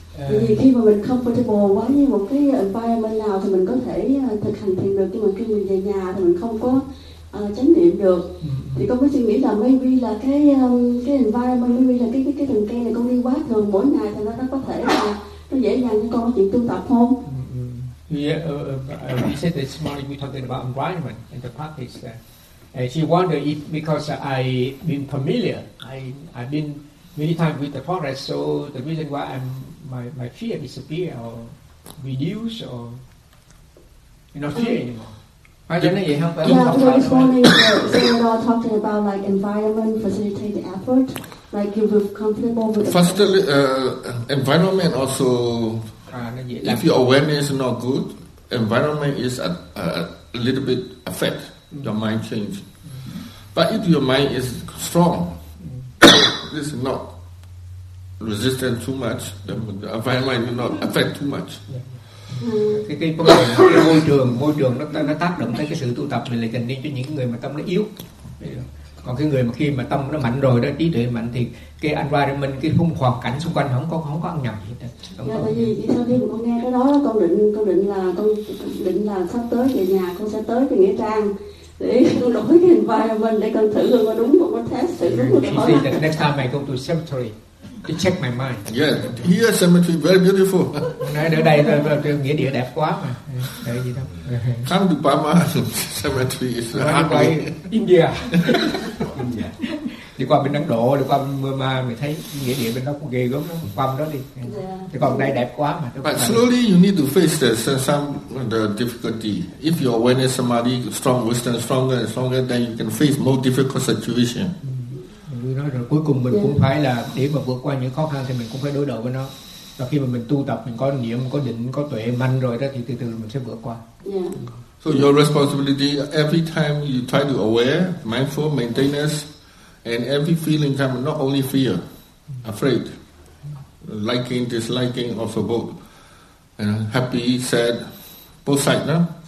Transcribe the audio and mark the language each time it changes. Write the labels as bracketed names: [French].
[Vietnamese] Vì khi mà mình comfortable quá như một cái environment nào thì mình có thể thực hành thiền được, nhưng mà khi mình về nhà thì mình không có chánh niệm được. Thì con có suy nghĩ là maybe là cái environment, maybe là cái rừng cây này con đi quá thường mỗi ngày thì nó có thể là nó dễ dàng cho con chuyện tu tập không? [English] We said this morning we're talking about environment and the practice there. And she wondered if because I've been familiar, I've been many times with the forest, so the reason why my fear disappear or reduce or not fear anymore. Yeah, this morning, Sayadaw talking about like environment facilitated effort, like you feel comfortable with. Firstly, environment also, if your awareness is not good, environment is a little bit affect your mind change. But if your mind is strong, this is not resistant too much, then the environment will not affect too much. Yeah. [Vietnamese] Cái môi trường nó tác động tới cái sự tu tập này là cần đến cho những người mà tâm nó yếu. Còn cái người mà khi mà tâm nó mạnh rồi đó, trí tuệ mạnh thì cái environment, cái khung hoàn cảnh xung quanh không có ăn nhầm gì hết. Dạ, tại vì sau khi mà con nghe cái đó, con định là sắp tới về nhà con sẽ tới cái nghĩa trang để con đổi cái environment để con thử luôn có đúng không, con test thử đúng [English] không. Next time I go to cemetery to check my mind. Yes, here cemetery very beautiful. [Vietnamese] Nói ở đây là nghĩa địa đẹp quá mà. Đấy, gì [English] đâu. Come to Burma cemetery is halfway. India. [Vietnamese] Đi qua bên Ấn Độ, đi qua Burma, mày thấy nghĩa địa bên đó cũng ghê gớm lắm. Qua đó đi. Thì còn đây đẹp quá mà. [English] But slowly you need to face the difficulty. If your awareness samadhi strong, wisdom stronger and stronger, then you can face more difficult situation. [Vietnamese] Rồi cuối cùng mình cũng phải là để mà vượt qua những khó khăn thì mình cũng phải đối đầu với nó. Và khi mà mình tu tập, mình có niệm, có định, có tuệ mạnh rồi đó thì từ từ mình sẽ vượt qua. [English] Yeah. So your responsibility every time you try to aware, mindful, maintenance, and every feeling come, not only fear, afraid, liking, disliking, also both, and happy, sad, both sides, no?